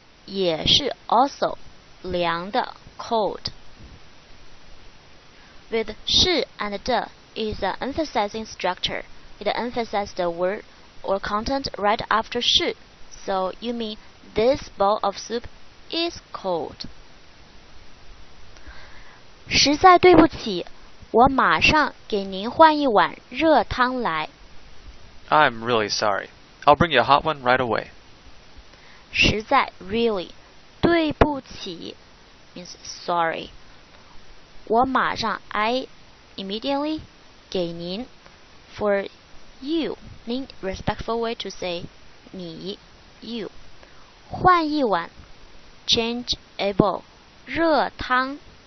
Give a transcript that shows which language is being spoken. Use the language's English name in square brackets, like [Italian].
[Chinese] 也是 also 凉的 cold. [English] With 是 and 的 is an emphasizing structure. It emphasizes the word or content right after 是. So you mean this bowl of soup is cold. [Chinese] 实在对不起，我马上给您换一碗热汤来。 [English] I'm really sorry. I'll bring you a hot one right away. 实在 really 对不起 means sorry 我马上 I immediately 给您 for you 您 respectful way to say 你 you 换一碗 change a bowl 热汤